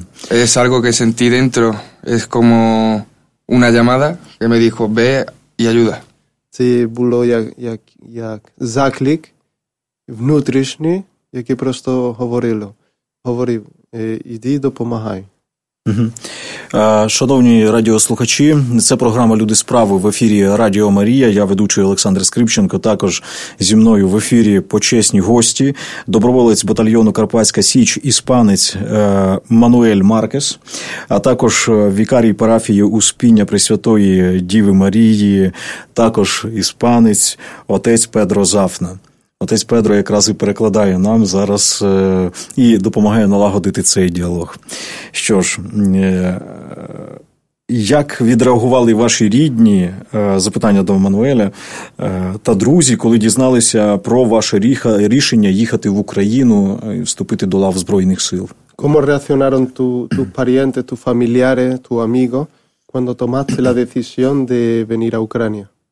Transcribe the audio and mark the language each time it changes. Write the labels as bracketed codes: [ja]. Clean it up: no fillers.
[es] Es algo que sentí dentro, es como una llamada que me dijo ve y ayuda. [uk] Це було як заклик внутрішній, який просто говорив: іди, допомагай. Шановні радіослухачі, це програма «Люди справи» в ефірі Радіо Марія. Я ведучий Олександр Скрипченко. Також зі мною в ефірі почесні гості. Доброволець батальйону «Карпатська Січ» іспанець Мануель Маркес, а також вікарій парафії Успіння Пресвятої Діви Марії, також іспанець отець Педро Зафна. Отець Педро якраз і перекладає нам зараз і допомагає налагодити цей діалог. Що ж, Як відреагували ваші рідні, запитання до Мануеля, та друзі, коли дізналися про ваше рішення їхати в Україну і вступити до лав Збройних сил? [es] Como reaccionaron tu pariente, tu familiares, tu amigo, cuando tomaste la decisión de venir a Ucrania?